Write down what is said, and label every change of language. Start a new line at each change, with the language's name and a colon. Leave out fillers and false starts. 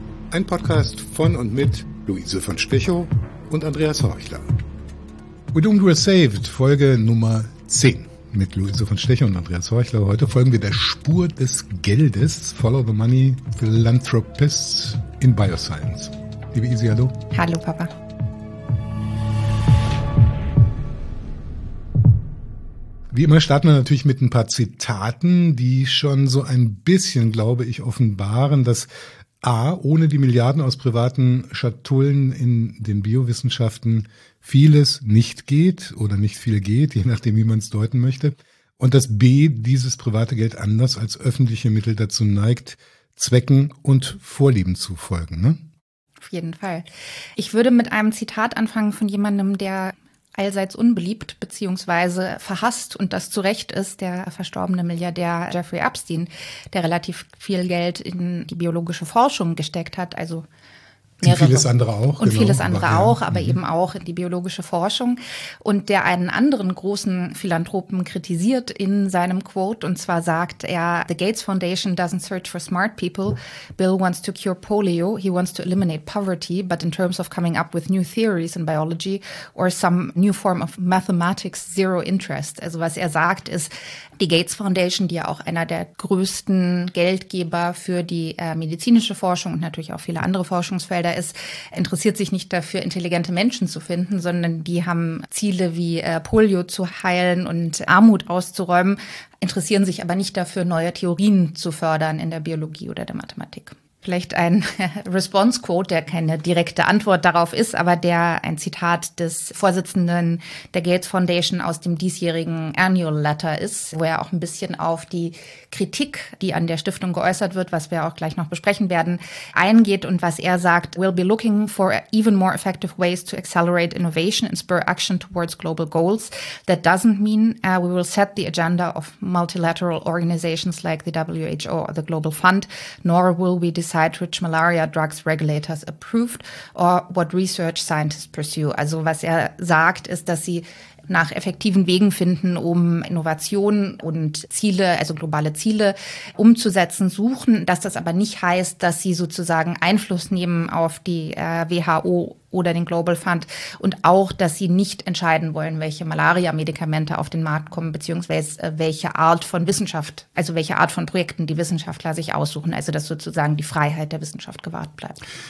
German: Ein Podcast von und mit Luise von Spechow und Andreas Horchler.
English: We're doomed, we're saved,
German: Folge Nummer 10. Mit Luise von Stecher und Andreas Horchler. Heute folgen wir der Spur des Geldes.
English: Follow the money, philanthropists in bioscience.
German: Liebe Isi, hallo. Hallo, Papa. Wie immer starten wir natürlich mit ein paar Zitaten, die schon so ein bisschen, glaube ich, offenbaren, dass A, ohne die Milliarden aus privaten Schatullen in den Biowissenschaften vieles nicht geht oder nicht viel geht, je nachdem, wie man es deuten möchte. Und dass B, dieses private Geld anders als öffentliche Mittel dazu neigt, Zwecken und Vorlieben zu folgen, ne? Auf jeden Fall. Ich würde mit einem Zitat anfangen von jemandem, der allseits unbeliebt beziehungsweise verhasst und das zu Recht ist, der verstorbene Milliardär Jeffrey Epstein, der relativ viel Geld in die biologische Forschung gesteckt hat, also mehrere. Und vieles andere auch. Und genau, vieles andere aber, auch, aber eben auch in die biologische Forschung. Und der einen anderen großen Philanthropen kritisiert in seinem Quote. Und zwar sagt er,
English: the Gates Foundation doesn't search for smart people. Bill wants to cure polio. He wants to eliminate poverty. But in terms of coming up with new theories in biology or some new form of mathematics, zero interest.
German: Also was er sagt ist, die Gates Foundation, die ja auch einer der größten Geldgeber für die medizinische Forschung und natürlich auch viele andere Forschungsfelder ist, interessiert sich nicht dafür, intelligente Menschen zu finden, sondern die haben Ziele wie Polio zu heilen und Armut auszuräumen, interessieren sich aber nicht dafür, neue Theorien zu fördern in der Biologie oder der Mathematik. Vielleicht ein Response-Quote, der keine direkte Antwort darauf ist, aber der ein Zitat des Vorsitzenden der Gates Foundation aus dem diesjährigen Annual Letter ist, wo er auch ein bisschen auf die Kritik, die an der Stiftung geäußert wird, was wir auch gleich noch besprechen werden, eingeht und was er sagt,
English: we'll be looking for even more effective ways to accelerate innovation and spur action towards global goals. That doesn't mean we will set the agenda of multilateral organizations like the WHO or the Global Fund, nor will we decide which malaria drugs regulators approved or what research scientists pursue.
German: Also was er sagt, ist, dass sie nach effektiven Wegen finden, um Innovationen und Ziele, also globale Ziele umzusetzen, suchen. Dass das aber nicht heißt, dass sie sozusagen Einfluss nehmen auf die WHO oder den Global Fund und auch, dass sie nicht entscheiden wollen, welche Malaria-Medikamente auf den Markt kommen, beziehungsweise welche Art von Wissenschaft, also welche Art von Projekten die Wissenschaftler sich aussuchen, also dass sozusagen die Freiheit der Wissenschaft gewahrt bleibt.